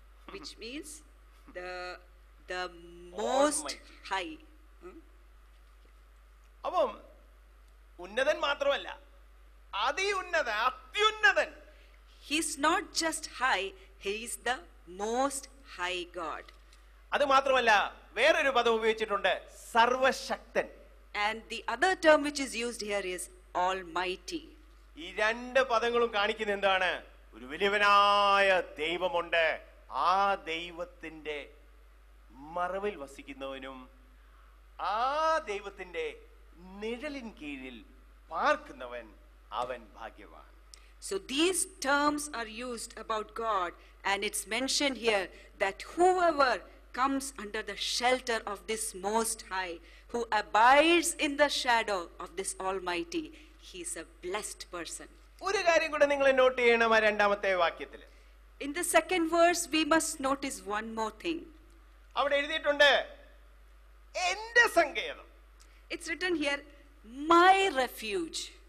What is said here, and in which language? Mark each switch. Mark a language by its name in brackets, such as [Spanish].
[English] which means the most almighty. High. [Malayalam] Avum unnathan mathramalla, adi unnathan, athyunnathan. [English] He is not just high, he is the most high God. [Malayalam] അത് മാത്രമല്ല, വേറൊരു പദം ഉപയോഗിച്ചിട്ടുണ്ട്, സർവശക്തൻ. [English] And the other term which is used here is almighty. [Malayalam] ഈ രണ്ട് പദങ്ങളും കാണിക്കുന്ന എന്താണ്? ഒരു വലിയവനായ ദൈവമുണ്ട്, ആ ദൈവത്തിന്റെ മറവിൽ വസിക്കുന്നവനും ആ ദൈവത്തിന്റെ നിഴലിൻ കീഴിൽ പാർക്കുന്നവൻ അവൻ ഭാഗ്യവാൻ. [English] So these terms are used about God, and it's mentioned here that whoever comes under the shelter of this Most High, who abides in the shadow of this Almighty, he is a blessed person. [Malayalam] ഒരു കാര്യം കൂടി നിങ്ങൾ not ചെയ്യണം ആ രണ്ടാമത്തെ വാക്യത്തിൽ. [English] In the second verse, we must notice one more thing. [Malayalam] അവിടെ എഴുതിയിട്ടുണ്ട്, എൻ്റെ സങ്കേതം. [English] It's written here, my refuge.